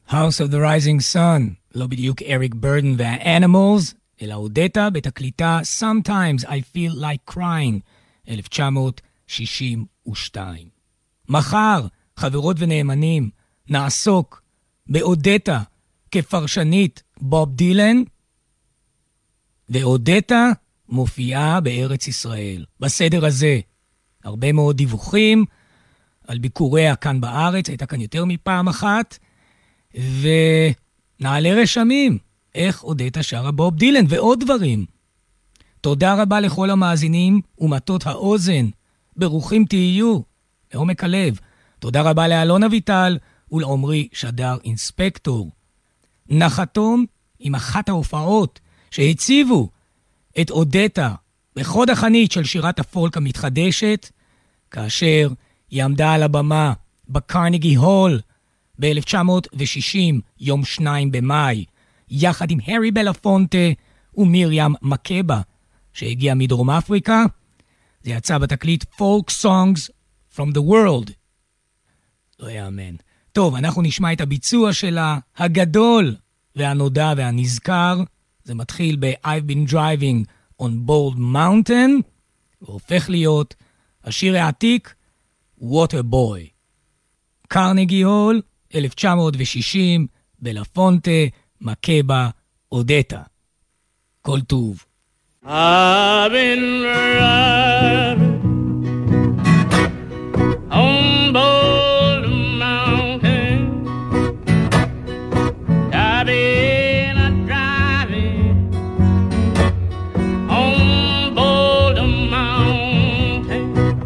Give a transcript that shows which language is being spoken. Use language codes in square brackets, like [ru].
[he] House of the Rising Sun, לא בדיוק אריק ברדן והאנימלס, אלא אודטה בתקליטה Sometimes I Feel Like Crying, 1962. מחר, חברות ונאמנים, נעסוק באודטה כפרשנית בוב דילן, ואודטה מופיעה בארץ ישראל. בסדר הזה, הרבה מאוד דיווחים על ביקוריה כאן בארץ, הייתה כאן יותר מפעם אחת, ונעלה רשמים איך אודטה שרה בוב דילן ועוד דברים. תודה רבה לכל המאזינים ומתות האוזן, ברוכים תהיו לעומק הלב. תודה רבה לאלון אביטל ולעומרי שדר אינספקטור. נחתום עם אחת ההופעות שהציבו את אודטה בחוד החנית של שירת הפולק המתחדשת, כאשר היא עמדה על הבמה בקרניגי הול ב-1960, יום 2 במאי, יחד עם הרי בלפונטה ומיריאם מקבה, שהגיע מדרום אפריקה. זה יצא בתקליט Folk Songs from the World. לא יאמן. טוב, אנחנו נשמע את הביצוע שלה, הגדול והנודע והנזכר. זה מתחיל ב- [en] I've been driving on Bald Mountain, [he] והופך להיות השיר העתיק, Water Boy. קרנגי הול, 1960, בלפונטה, מקבה, אודטה. כל טוב. [en] I've been riding on Bald Mountain. I've been driving on Bald Mountain.